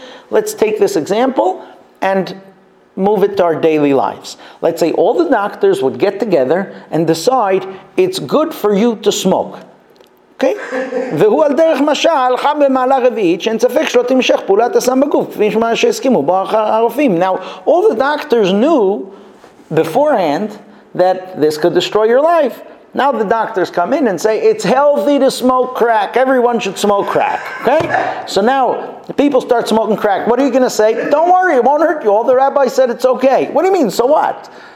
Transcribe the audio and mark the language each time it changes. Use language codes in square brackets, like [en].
[en] Let's take this example and move it to our daily lives. Let's say all the doctors would get together and decide it's good for you to smoke. Okay? [he] והוא על דרך משל חם במעלה רביעית שאין ספק שלא תמשך פעולת הסם בגוף כפי שמה שהסכימו בו הרופאים. [en] Now, all the doctors knew beforehand that this could destroy your life. Now the doctors come in and say, it's healthy to smoke crack. Everyone should smoke crack. Okay? So now, the people start smoking crack. What are you going to say? Don't worry, it won't hurt you. All the rabbis said it's okay. What do you mean, so what?